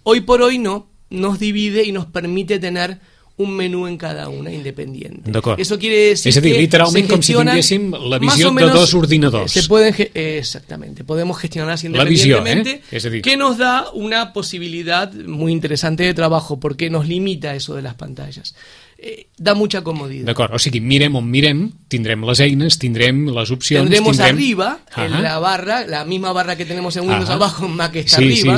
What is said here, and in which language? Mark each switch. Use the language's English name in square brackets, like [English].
[Spanish] Hoy por hoy no, nos divide y nos permite tener un menú en cada una independiente. [Catalan] D'acord. [Spanish] Eso quiere decir que... [Catalan] És a dir, literalment com si tinguéssim la visió de dos ordinadors. [Spanish] Se pueden exactamente. Podemos gestionar independientemente. [Catalan] La visió, [Spanish] Que nos da una possibilitat muy interesante de trabajo porque nos limita eso de las pantallas. Da mucha comodidad. [Catalan] D'acord, o sigui, mirem on mirem, tindrem les eines, tindrem les opcions, [Spanish] tendremos arriba en la barra, la misma barra que tenemos en Windows abajo, en Mac está arriba,